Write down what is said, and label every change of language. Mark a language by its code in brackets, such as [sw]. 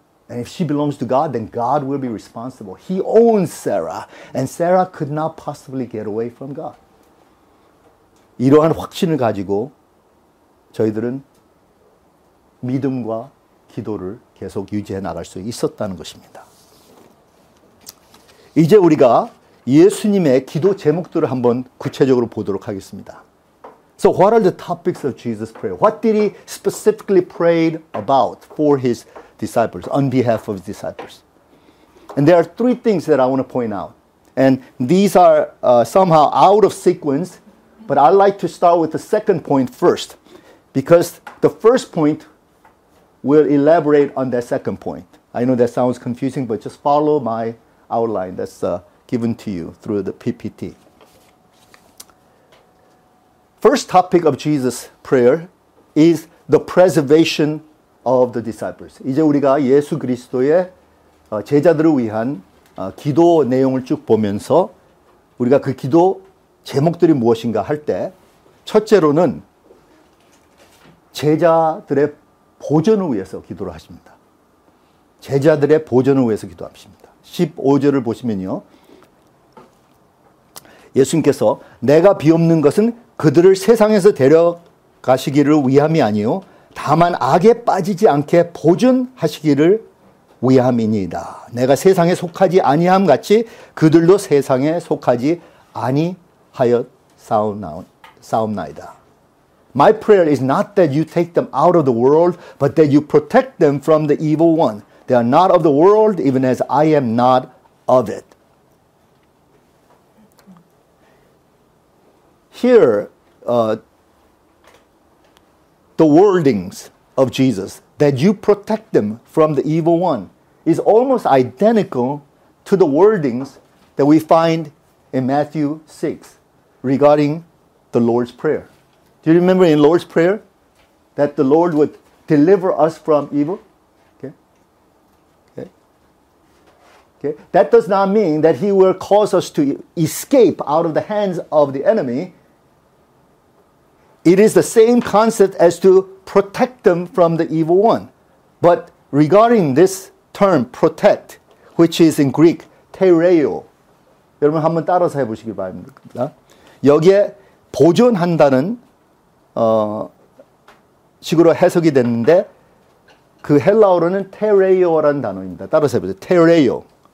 [en] And if she belongs to God, then God will be responsible. He owns Sarah. And Sarah could not possibly get away from God. [ko] 이러한 확신을 가지고 저희들은 믿음과 기도를 계속 유지해 나갈 수 있었다는 것입니다. 이제 우리가 예수님의 기도 제목들을 한번 구체적으로 보도록 하겠습니다. [en] So what are the topics of Jesus' prayer? What did he specifically pray about for his disciples, on behalf of his disciples? And there are three things that I want to point out. And these are somehow out of sequence, but I'd like to start with the second point first, because the first point will elaborate on that second point. I know that sounds confusing, but just follow my outline that's given to you through the PPT. First topic of Jesus' prayer is the preservation of the disciples. 이제 우리가 예수 그리스도의 제자들을 위한 기도 내용을 쭉 보면서 우리가 그 기도 제목들이 무엇인가 할 때 첫째로는 제자들의 보전을 위해서 기도를 하십니다. 제자들의 보전을 위해서 기도하십니다. 15절을 보시면요. 예수님께서 내가 비옵는 것은 그들을 세상에서 데려가시기를 위함이 아니요 다만 악에 빠지지 않게 보존하시기를 위함이니이다. 내가 세상에 속하지 아니함 같이 그들도 세상에 속하지 아니하여 싸움나이다. My prayer is not that you take them out of the world, but that you protect them from the evil one. They are not of the world, even as I am not of it. Here, the wordings of Jesus, that you protect them from the evil one, is almost identical to the wordings that we find in Matthew 6 regarding the Lord's Prayer. Do you remember in Lord's Prayer that the Lord would deliver us from evil? Okay. That does not mean that He will cause us to escape out of the hands of the enemy. It is the same concept as to protect them from the evil one. But regarding this term, protect, which is in Greek, tereo. [ko] 여러분 한번 따라서 해보시길 바랍니다. 여기에 보존한다는 식으로 해석이 됐는데 그 헬라어로는 테레이오라는 단어입니다. 따라서 해보세요. 테레이오.